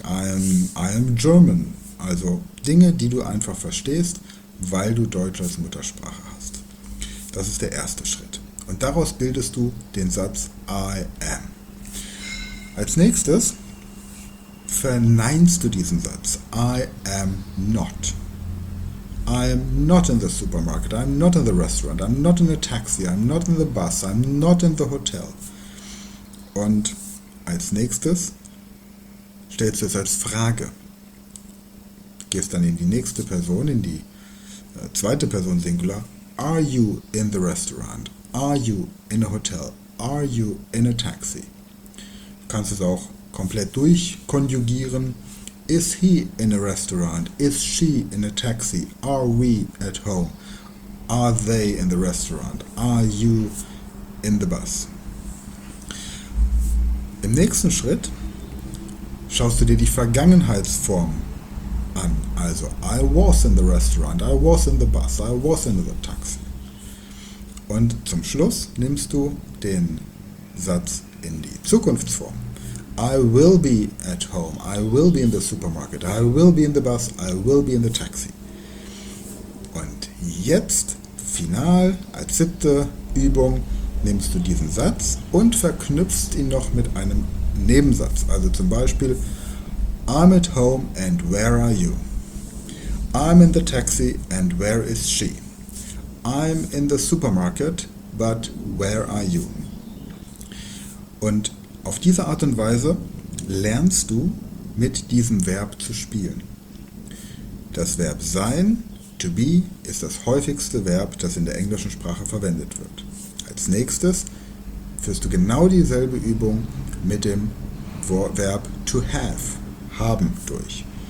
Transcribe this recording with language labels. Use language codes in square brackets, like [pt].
[en] I am German. [de] Also Dinge, die du einfach verstehst, weil du Deutsch als Muttersprache hast. Das ist der erste Schritt. Und daraus bildest du den Satz [en] I am. [de] Als nächstes verneinst du diesen Satz. [en] I am not. I am not in the supermarket. I am not in the restaurant. I am not in a taxi. I am not in the bus. I am not in the hotel. [de] Und als nächstes stellst du es als Frage. Gehst dann in die nächste Person, in die zweite Person Singular. [en] Are you in the restaurant? Are you in a hotel? Are you in a taxi? [de] Du kannst es auch komplett durchkonjugieren. [en] Is he in a restaurant? Is she in a taxi? Are we at home? Are they in the restaurant? Are you in the bus? [de] Im nächsten Schritt schaust du dir die Vergangenheitsform an. [en] Also, I was in the restaurant. I was in the bus. I was in the taxi. [de] Und zum Schluss nimmst du den Satz in die Zukunftsform. [en] I will be at home, I will be in the supermarket, I will be in the bus, I will be in the taxi. [de] Und jetzt, final, als siebte Übung, nimmst du diesen Satz und verknüpfst ihn noch mit einem Nebensatz. Also zum Beispiel, [en] I'm at home and where are you? I'm in the taxi and where is she? I'm in the supermarket, but where are you? [de] Und auf diese Art und Weise lernst du, mit diesem Verb zu spielen. Das Verb sein, to be, ist das häufigste Verb, das in der englischen Sprache verwendet wird. Als nächstes führst du genau dieselbe Übung mit dem Verb to have, haben, durch.